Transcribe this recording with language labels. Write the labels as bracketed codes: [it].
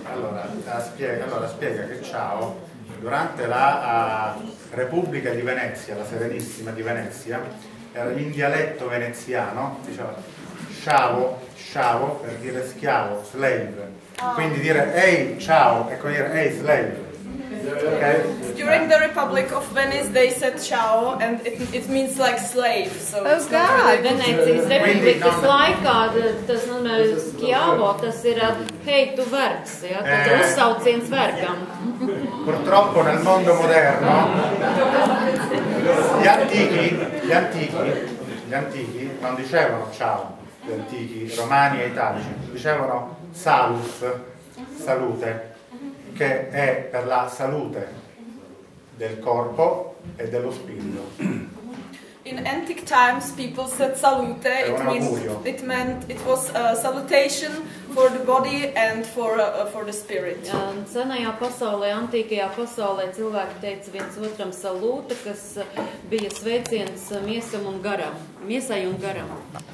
[it] Allora spiega che ciao durante la Repubblica di Venezia, la Serenissima di Venezia, in dialetto veneziano diceva ciao per dire schiavo, slave. Quindi dire ehi ciao è come dire ehi slave. [en] Okay. During the Republic of Venice they said ciao and it means like slave. So oh god, really Venice is Republic is like god, [lv] tas nav schiavo, tas ir hey tu vergs, ja, tas ir uzsauciens vergam. [it] Purtroppo nel mondo moderno gli antichi non dicevano ciao, gli antichi romani e italici dicevano salus, salute, che è per la salute del corpo e dello spirito. [en] In antique times people said salute, it was a salutation for the body and for the spirit. [lv] Senajā pasaulē, antīkajā pasaulē cilvēki teica viens otram salūte, kas bija sveiciens miesam un garam, miesai un garam.